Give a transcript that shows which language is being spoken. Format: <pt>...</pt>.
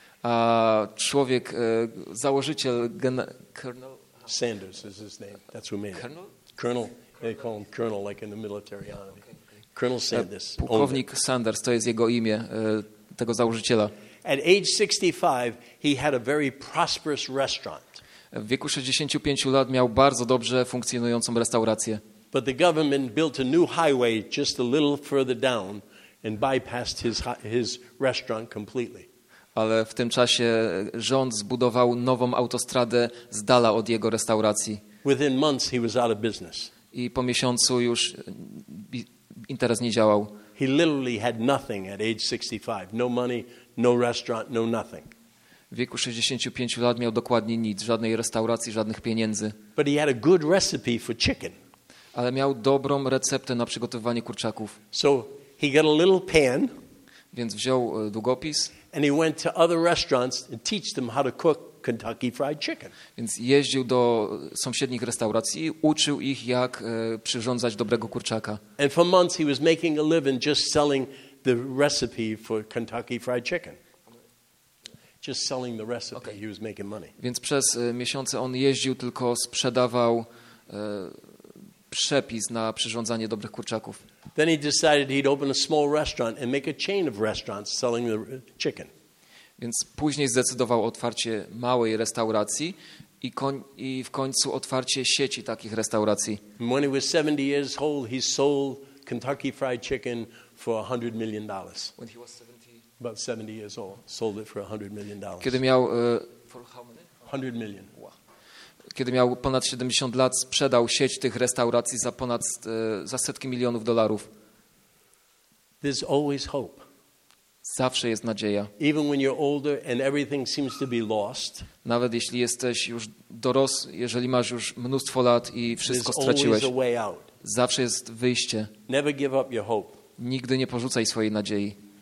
<pl>A człowiek, założyciel Colonel</pl> <en>Sanders is his name. That's who made it. Colonel. They call him Colonel, like in the military. Okay. Colonel Sanders.</en> <pl>Pułkownik Sanders, to jest jego imię, tego założyciela.</pl> <en>At age 65, he had a very prosperous restaurant.</en> <pl>W wieku 65 lat miał bardzo dobrze funkcjonującą restaurację.</pl> <en>But the government built a new highway just a little further down and bypassed his restaurant completely.</en> <pl>Ale w tym czasie rząd zbudował nową autostradę z dala od jego restauracji.</pl> <en>Within months he was out of business.</en> <pl>I po miesiącu już interes nie działał.</pl> <en>He literally had nothing at age 65. No money, no restaurant, no nothing.</en> <pl>W wieku 65 lat miał dokładnie nic, żadnej restauracji, żadnych pieniędzy.</pl> <en>But he had a good recipe for chicken.</en> <pl>Ale miał dobrą receptę na przygotowywanie kurczaków.</pl> <en>So he got a little pan.</en> <pl>Więc wziął długopis.</pl> <en>And he went to other restaurants and teach them how to cook Kentucky Fried Chicken.</en> <pl>Więc jeździł do sąsiednich restauracji i uczył ich, jak przyrządzać dobrego kurczaka.</pl> <en>And for months he was making a living just selling the recipe for Kentucky Fried Chicken. Just selling the recipe, okay. He was making money.</en> <pl>Więc przez miesiące on jeździł, tylko sprzedawał przepis na przyrządzanie dobrych kurczaków.</pl> <en>Then he decided he'd open a small restaurant and make a chain of restaurants selling the chicken.</en> <pl>Więc później zdecydował o otwarcie małej restauracji i w końcu otwarcie sieci takich restauracji.</pl> <en>And when he was 70 years old, he sold Kentucky Fried Chicken for $100 million. When he was 70? About 70 years old, sold it for $100 million.</en> <pl>Kiedy miał...</pl> <en>For how many? 100 million.</en> <pl>Kiedy miał ponad 70 lat, sprzedał sieć tych restauracji za ponad za setki milionów dolarów.</pl> <en>There's always hope.</en> <pl>Zawsze jest nadzieja.</pl> <en>Even when you're older and everything seems to be lost.</en> <pl>Nawet jeśli jesteś już dorosły, jeżeli masz już mnóstwo lat i wszystko straciłeś.</pl> <en>There's always a way out.</en> <pl>Zawsze jest wyjście.</pl> <en>Never give up your hope.</en> <pl>Nigdy nie porzucaj swojej nadziei.</pl>